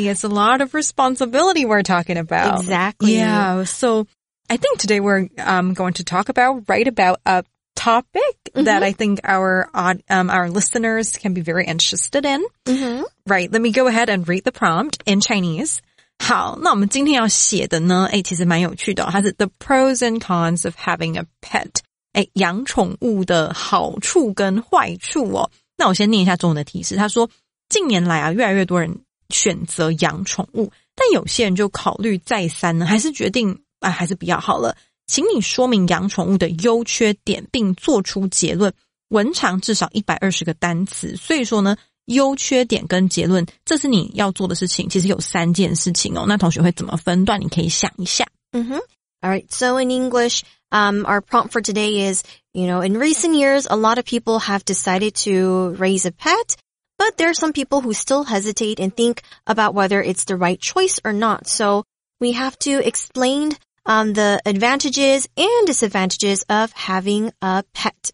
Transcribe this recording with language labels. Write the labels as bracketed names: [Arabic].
[English] It's a lot of responsibility we're talking about. Exactly. Yeah. So I think today we're going to talk about, a topic that I think our listeners can be very interested in. Mm-hmm. Right. Let me go ahead and read the prompt in Chinese. [Chinese] 好,那我们今天要写的呢,诶,其实蛮有趣的。它是 [English] The Pros and Cons of Having a Pet. [Chinese] 诶,养宠物的好处跟坏处哦。那我先念一下中文的提示。他说,近年来啊,越来越多人选择养宠物,但有些人就考虑再三呢,还是决定啊，还是比较好了。请你说明养宠物的优缺点并做出结论。文长至少120个单词。所以说呢，优缺点跟结论，这是你要做的事情。其实有三件事情哦。那同学会怎么分段，你可以想一下。 [English] Mm-hmm. All right. So in English, our prompt for today is, you know, in recent years, a lot of people have decided to raise a pet, but there are some people who still hesitate and think about whether it's the right choice or not. So,we have to explain the advantages and disadvantages of having a pet.